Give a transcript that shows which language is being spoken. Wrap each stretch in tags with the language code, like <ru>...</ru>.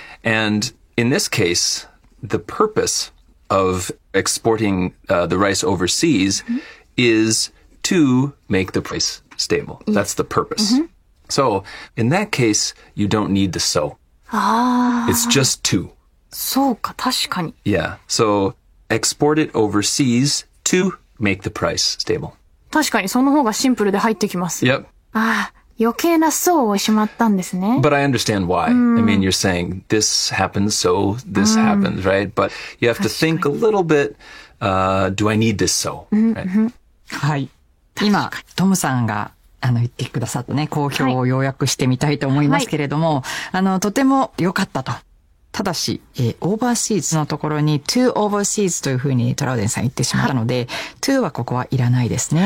<en>And in this case, the purpose of exporting the rice overseas is to make the price stable. Yes. That's the purpose. Mm-hmm. So in that case, you don't need the so. It's just to.</en> <ja>そうか、確かに。</ja> <en>Yeah. So export it overseas to make the price stable.</en> <ja>確かに、その方がシンプルで入ってきます。</ja> <en>Yep.</en> <ja>ああ、余計なそうをしまったんですね。</ja> <en>But I understand why. I mean, you're saying this happens, so this happens, right? But you have to think a little bit, do I need this so? Right?</en> <ja>はい。今、トムさんが言ってくださったね、好評を要約してみたいと思いますけれども、とても良かったと。ただし、オーバーシーズのところに</ja> <en>to overseas</en> <ja>というふうにトラウデンさん言ってしまったので、</ja> <en>to</en> <ja>はここはいらないですね。</ja>